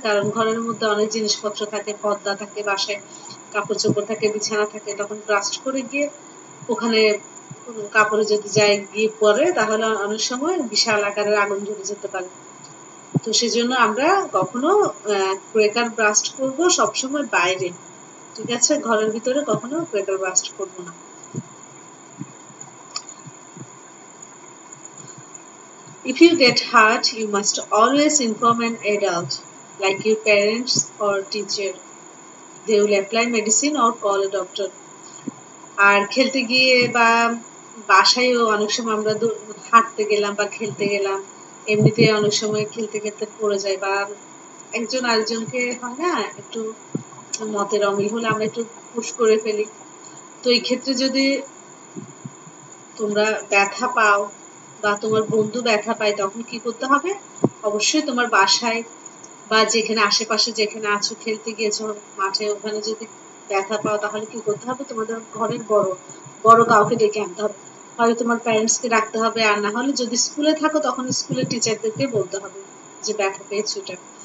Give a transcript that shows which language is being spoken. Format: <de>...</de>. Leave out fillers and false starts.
<bn>কারণ ঘরের মধ্যে অনেক জিনিসপত্র থাকে, পর্দা থাকে, বাসায় কাপড় চোপড় থাকে, বিছানা থাকে, তখন ব্রাস্ট করে গিয়ে ওখানে কাপড়ে যদি যায় গিয়ে পরে তাহলে অনেক সময় বিশাল আকারের আগুন ধরে যেতে পারে। তো সেজন্য আমরা কখনো ক্রেকার ব্রাস্ট করব সবসময় বাইরে, ঠিক আছে? ঘরের ভিতরে কখনো ক্রেকার ব্রাস্ট করব না।</bn> <en>If you get hurt, you must always inform an adult, like your parents or teacher. They will apply medicine or call a doctor.</en> <bn>আর খেলতে গিয়ে বা বাসায়ও অনেক সময় আমরা হাঁটতে গেলাম বা খেলতে গেলাম, এমনিতে অনেক সময় খেলতে খেলতে পড়ে যায় বা একজন আরেকজনকে হয় না একটু মতের অমিল হলে আমরা একটু পুশ করে ফেলি। তো এই ক্ষেত্রে যদি তোমরা ব্যথা পাও বা তোমার বন্ধু ব্যথা পায় তখন কি করতে হবে, অবশ্যই তোমার বাসায় বা যেখানে আশেপাশে যেখানে আছো খেলতে গিয়েছো মাঠে ওখানে যদি ব্যথা পাও তাহলে কি করতে হবে, তোমাদের ঘরের বড় বড় কাউকে ডেকে আনতে হবে, হয় তোমার প্যারেন্টসকে ডাকতে হবে, আর না হলে যদি স্কুলে থাকো তখন স্কুলের টিচারদেরকে বলতে হবে যে ব্যথা পেয়েছো এটা।</bn>